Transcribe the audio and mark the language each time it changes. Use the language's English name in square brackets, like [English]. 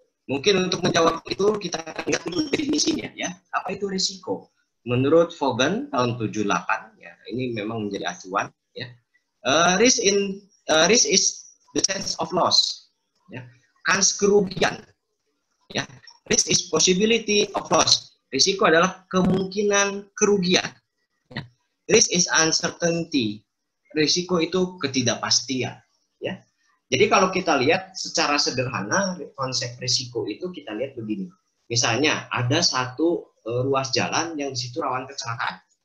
[Indonesian] Mungkin untuk menjawab itu kita lihat dulu definisinya, ya. Apa itu risiko? Menurut Vaughan tahun 78, ya, ini memang menjadi acuan. Ya. [English] Risk is the sense of loss, ya. [Indonesian] Kans kerugian, [English] ya. Risk is possibility of loss. [Indonesian] Risiko adalah kemungkinan kerugian. Ya. [English] Risk is uncertainty. [Indonesian] Risiko itu ketidakpastian. Ya. Jadi kalau kita lihat secara sederhana konsep risiko itu kita lihat begini. Misalnya ada satu ruas jalan yang di situ rawan kecelakaan.